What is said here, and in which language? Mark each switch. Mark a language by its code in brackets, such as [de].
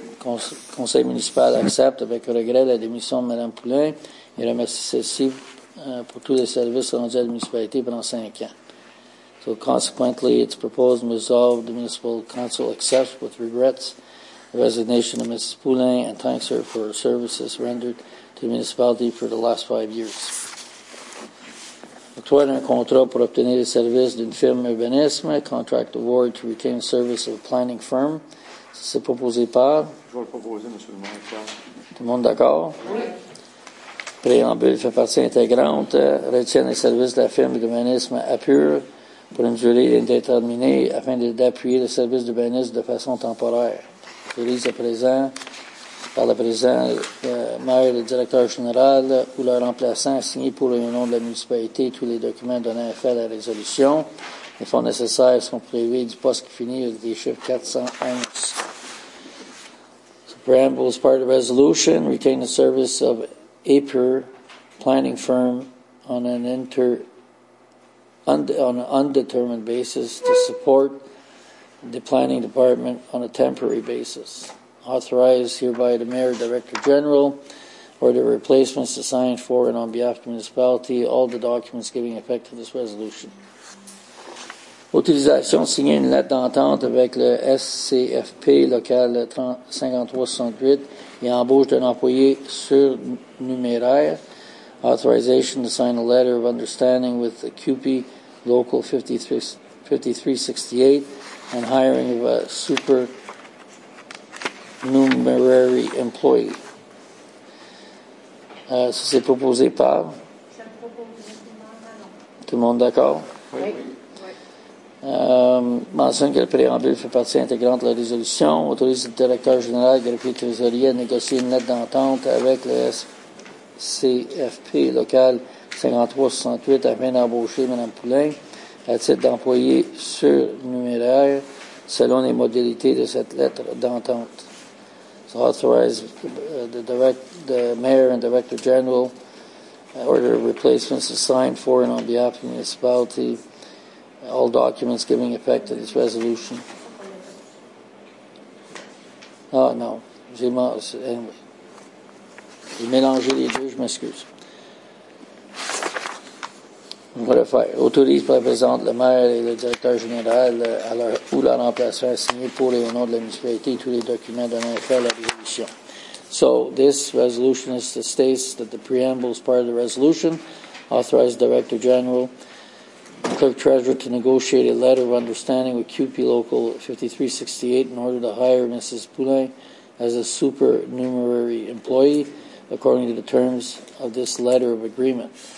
[fr] Conseil municipal accepte avec regret la démission de Mme Poulin et remercie celle-ci pour tous les services rendus à la municipalité pendant 5 ans. [en] So, consequently, it's proposed and resolved the municipal council accepts with regrets the resignation of Mrs. Poulin and thanks her for her services rendered to the municipality for the last 5 years. [fr] Octroyer un contrat pour obtenir les services d'une firme urbanisme, [en] contract award to retain service of a planning firm. [fr] Ça, c'est proposé par? Je vais le proposer, M. le maire. Tout le monde d'accord? Oui. Préambule fait partie intégrante, retient les services de la firme d'urbanisme Apure pour une durée indéterminée afin d'appuyer le service d'urbanisme de façon temporaire. Autorise à présent, par le présent, le maire et le directeur général ou leur remplaçant à signer pour le nom de la municipalité tous les documents donnant effet à la résolution. Les fonds nécessaires sont prévus du poste qui finit avec des chiffres 411. [en] So, preamble is part of the resolution, retain the service of APER planning firm on an undetermined basis to support the planning department on a temporary basis. Authorized hereby the mayor, director general, or the replacements to sign for and on behalf of the municipality all the documents giving effect to this resolution. [fr] Utilisation signer une lettre d'entente avec le SCFP local 5368 et embauche d'un employé surnuméraire. [en] Authorization to sign a letter of understanding with the QP Local 5368 and hiring of a supernumerary employee. [fr] Ça, c'est proposé par? Ça propose. Tout le monde d'accord? Oui. Mentionne que le préambule fait partie intégrante de la résolution. Autorise le directeur général, greffier trésorier, à négocier une lettre d'entente avec le SCFP local 5368 afin d'embaucher Mme Poulin à titre d'employé surnuméraire selon les modalités de cette lettre d'entente. [en] So authorize the mayor and director general order replacements to sign for and on behalf of the municipality all documents giving effect to this resolution. [fr] Ah, oh, non. J'ai mélangé les deux, je m'excuse. On va le faire. Autorise pour la présente le maire et le directeur général ou leur remplacement à signer pour et au nom de la municipalité tous les documents donnant effet à la résolution. [en] So, this resolution states that the preamble is part of the resolution. Authorize the director general Clerk Treasurer to negotiate a letter of understanding with QP Local 5368 in order to hire Mrs. Poulin as a supernumerary employee according to the terms of this letter of agreement.